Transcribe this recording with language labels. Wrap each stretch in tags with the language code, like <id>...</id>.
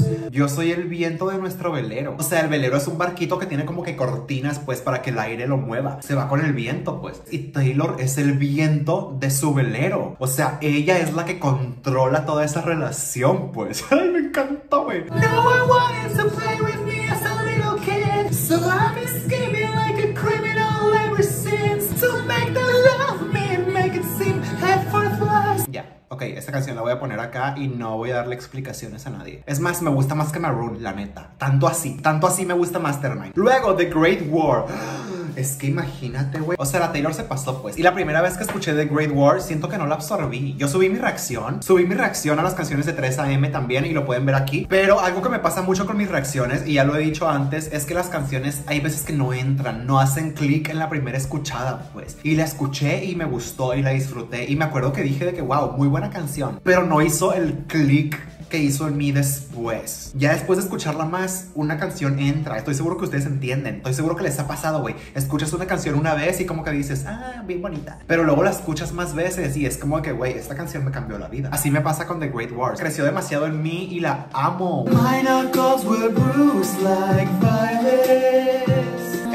<es>Yo soy el viento de nuestro velero. O sea, el velero es un barquito que tiene como que cortinas, pues, para que el aire lo mueva. Se va con el viento, pues. Y Taylor es el viento de su velero. O sea, ella es la que controla toda esa relación, pues. Ay, me encantó, güey.</es> <en>No one wants to play with me as a little kid. So I'm escaping like a criminal ever since. To make them love me and make it seem head for flies. Ya. Yeah.</en> <es>Ok, esta canción la voy a poner acá y no voy a darle explicaciones a nadie. Es más, me gusta más que Maroon, la neta. Tanto así me gusta Mastermind. Luego, The Great War. Es que imagínate, güey. O sea, la Taylor se pasó, pues. Y la primera vez que escuché The Great War, siento que no la absorbí. Yo subí mi reacción. Subí mi reacción a las canciones de 3AM también, y lo pueden ver aquí. Pero algo que me pasa mucho con mis reacciones, y ya lo he dicho antes, es que las canciones hay veces que no entran, no hacen clic en la primera escuchada, pues. Y la escuché y me gustó y la disfruté. Y me acuerdo que dije de que, wow, muy buena canción. Pero no hizo el clic que hizo en mí después. Ya después de escucharla más, una canción entra. Estoy seguro que ustedes entienden. Estoy seguro que les ha pasado, güey. Escuchas una canción una vez y como que dices, ah, bien bonita. Pero luego la escuchas más veces y es como que, güey, esta canción me cambió la vida. Así me pasa con The Great Wars. Creció demasiado en mí y la amo.</es> <en>My knuckles were bruised like violets.</en>